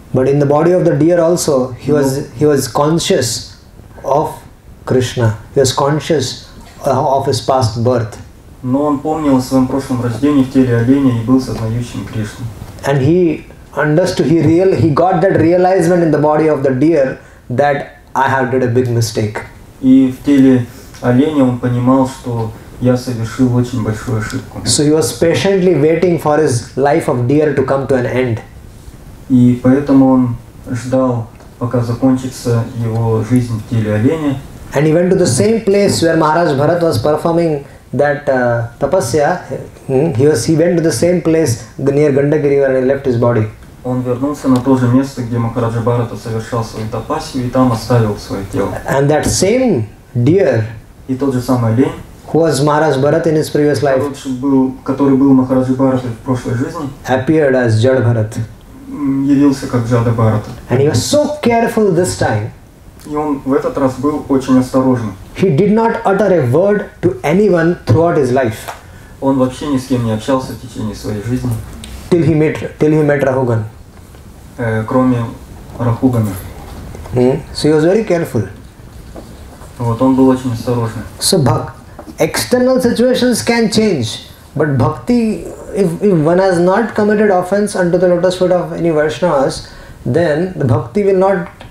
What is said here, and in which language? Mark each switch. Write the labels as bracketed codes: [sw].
[en] But in the body of the deer also, he was conscious of Krishna. He was conscious of his past birth. [ru] Но он помнил о своем прошлом рождении в теле оленя и был сознающим Кришну. [en] And he understood, he got that realization in the body of the deer that I have did a big mistake. [ru] И в теле оленя он понимал, что я совершил очень большую ошибку. [en] So he was patiently waiting for his life of deer to come to an end. [ru] И поэтому он ждал, пока закончится его жизнь в теле оленя. [en] And he went to the same place where Maharaj Bharat was performing that tapasya. He went to the same place near Gandagiri where he left his body. [ru] Он вернулся на то же место, где Махараджа Бхарата совершал свою тапасию, и там оставил свое тело. [en] And that same deer, [ru] и тот же самый олень, [en] who was Maharaj Bharat in his previous life, [ru] который был Махараджа Бхарата в прошлой жизни, [en] appeared as Jad Bharat. [ru] Явился как Джада Бхарата. [en] And he was so careful this time. [ru] И он в этот раз был очень осторожен. [en] He did not utter a word to anyone throughout his life. [ru] Он вообще ни с кем не общался в течение своей жизни. [en] Till he met Рахуган. [ru] Кроме Рахугана. [en] So he was very careful. [ru] Вот он был очень осторожен. [en] So external situations can change, but bhakti, if one has not committed offense unto the lotus foot of any Vaishnavas, then the bhakti will not.